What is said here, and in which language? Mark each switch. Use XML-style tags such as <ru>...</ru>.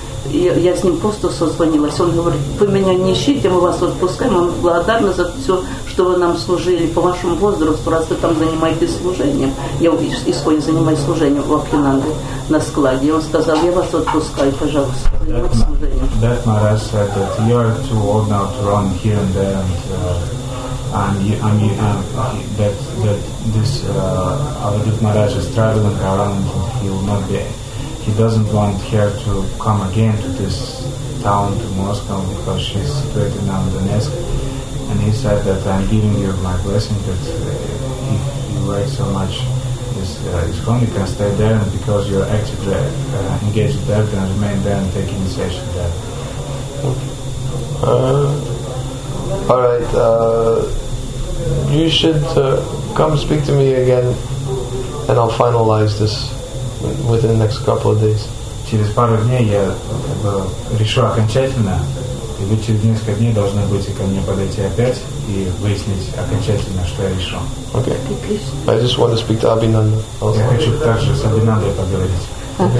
<ru>Я с ним просто созвонилась. Он говорит, вы меня не ищите, мы вас отпускаем. Он благодарна за все, что вы нам служили по вашему возрасту, раз вы там занимаетесь служением. Я исходно занимаюсь служением в Абхинанде на складе. И он сказал, я вас отпускаю, пожалуйста, занимайтесь служением.</ru> <en>That Maharaj said that you are too old now to run here and there. Adhut Maharaj is traveling around and he will not be... He doesn't want her to come again to this town, to Moscow, because she's situated now in Donetsk. And he said that I'm giving you my blessing that if you like so much this home, you can stay there, and because you're actively engaged there, then remain there and take initiation there. Alright, you should come speak to me again, and I'll finalize this. Within the next couple of days.</en> <ru>Через пару дней я решу окончательно, и вы через несколько дней должны будете ко мне подойти опять и выяснить окончательно, что я решу.</ru> <en>Okay. I just want to speak to Abhinanda.</en> <ru>Я хочу также с Абхинандой поговорить.</ru> <en>Okay.</en>